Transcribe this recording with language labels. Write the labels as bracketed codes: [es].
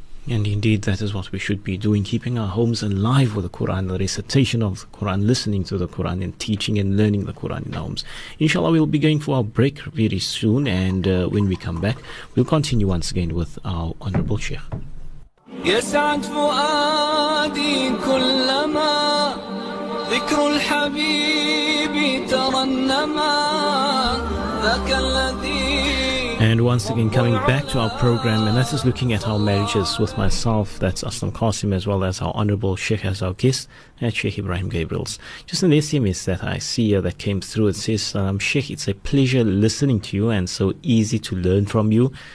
[en] And indeed, that is what we should be doing, keeping our homes alive with the Quran, the recitation of the Quran, listening to the Quran and teaching and learning the Quran in our homes. Inshallah, we'll be going for our break very soon. And when we come back, we'll continue once again with our Honorable Sheikh. [ar] يسعد فؤادي كلما ذكر الحبيب ترنما ذاك الذي. [en] And once again, coming back to our program, and that is looking at our marriages with myself, that's Aslam Qasim, as well as our Honorable Sheikh as our guest, at Sheikh Ebrahim Gabriels. Just an SMS that I see here that came through, it says, Sheikh, it's a pleasure listening to you and so easy to learn from you.